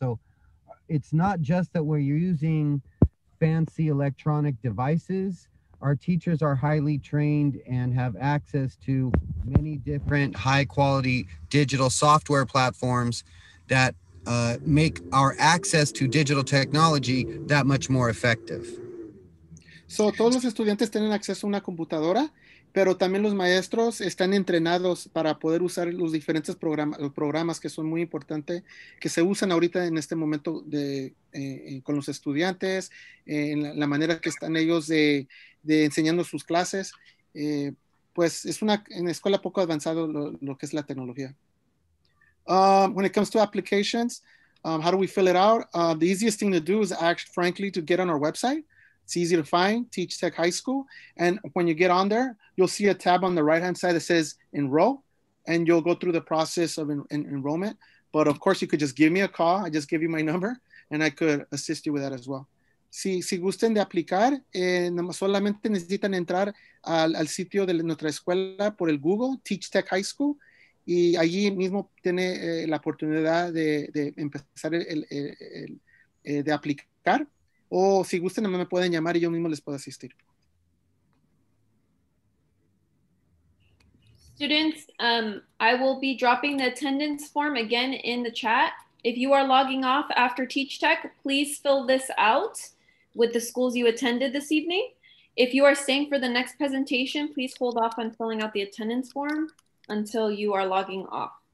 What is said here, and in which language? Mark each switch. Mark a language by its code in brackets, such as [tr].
[en] So it's not just that we're using fancy electronic devices. Our teachers are highly trained and have access to many different high quality digital software platforms that make our access to digital technology that much more effective. [es] So todos los estudiantes tienen acceso a una computadora, pero también los maestros están entrenados para poder usar los diferentes programas que son muy importantes, que se usan ahorita en este momento con los estudiantes, en la manera que están ellos de enseñando sus clases. Pues es una en escuela poco avanzado lo que es la tecnología. [en] When it comes to applications, how do we fill it out? The easiest thing to do is actually, frankly, to get on our website. It's easy to find, Teach Tech High School. And when you get on there, you'll see a tab on the right-hand side that says enroll, and you'll go through the process of enrollment. But of course, you could just give me a call. I just give you my number, and I could assist you with that as well. [es] Si gusten de aplicar, solamente necesitan entrar al sitio de nuestra escuela por el Google, Teach Tech High School, y allí mismo tiene la oportunidad de empezar de aplicar. O si gusten, me pueden llamar y yo mismo les puedo asistir. [en] Students, I will be dropping the attendance form again in the chat. If you are logging off after Teach Tech, please fill this out with the schools you attended this evening. If you are staying for the next presentation, please hold off on filling out the attendance form until you are logging off.